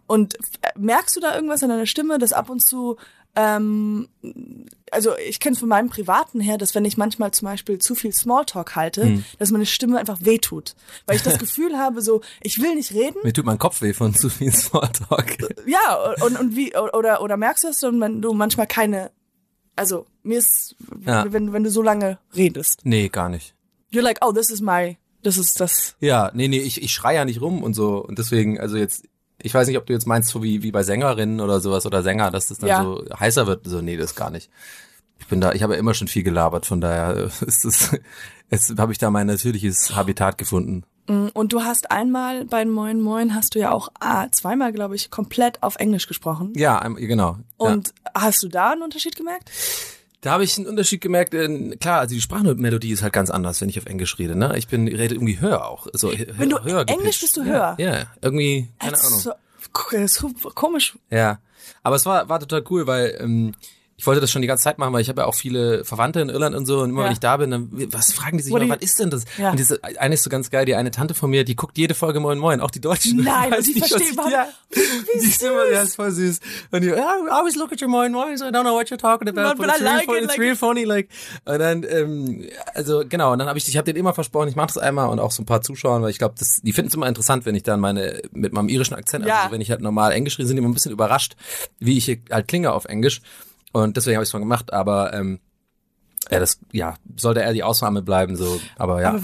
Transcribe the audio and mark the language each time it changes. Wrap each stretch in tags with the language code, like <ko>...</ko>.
<de>Und merkst du da irgendwas an deiner Stimme, dass ab und zu, also ich kenne es von meinem Privaten her, dass wenn ich manchmal zum Beispiel zu viel Smalltalk halte, dass meine Stimme einfach wehtut. Weil ich das Gefühl habe, so, ich will nicht reden. Mir tut mein Kopf weh von zu viel Smalltalk. Ja, und wie, oder merkst du das, wenn du manchmal keine, also mir ist, wenn du so lange redest. Nee, gar nicht.</de> <en>You're like, oh, this is</en> <de>das. Ja, nee, ich schreie ja nicht rum und so. Und deswegen, also jetzt, ich weiß nicht, ob du jetzt meinst, so wie bei Sängerinnen oder sowas oder Sänger, dass das dann so heißer wird. So, nee, das gar nicht. Ich habe ja immer schon viel gelabert, von daher ist das, jetzt habe ich da mein natürliches Habitat gefunden. Und du hast einmal bei Moin Moin, hast du ja auch zweimal, glaube ich, komplett auf Englisch gesprochen. Ja, genau. Und hast du da einen Unterschied gemerkt? Da habe ich einen Unterschied gemerkt, klar, also die Sprachmelodie ist halt ganz anders, wenn ich auf Englisch rede, ne? Ich rede irgendwie höher auch. So, wenn du Englisch bist, du höher? Ja, irgendwie, keine Ahnung. Komisch. Ja, aber es war total cool, weil ich wollte das schon die ganze Zeit machen, weil ich habe ja auch viele Verwandte in Irland und so und immer, ja, wenn ich da bin, dann was fragen die sich immer, was ist denn das? Ja. Und diese, eine ist so ganz geil, die eine Tante von mir, die guckt jede Folge Moin Moin, auch die Deutschen. Nein, und ich verstehe, warum. Ja. Wie süß. Immer, ja, ist voll süß. Und die,</de> <en>I always look at your Moin Moin, so I don't know what you're talking about, but it's, like real, it, it's real funny. Like.</en> <de>Und dann, also genau, und dann habe ich habe denen immer versprochen, ich mache das einmal und auch so ein paar Zuschauern, weil ich glaube, die finden es immer interessant, wenn ich dann meine, mit meinem irischen Akzent, ja, also wenn ich halt normal Englisch rede, sind die immer ein bisschen überrascht, wie ich halt klinge auf Englisch. Und deswegen habe ich es schon gemacht, aber ja, das, ja, sollte eher die Ausnahme bleiben, so, aber ja.</de>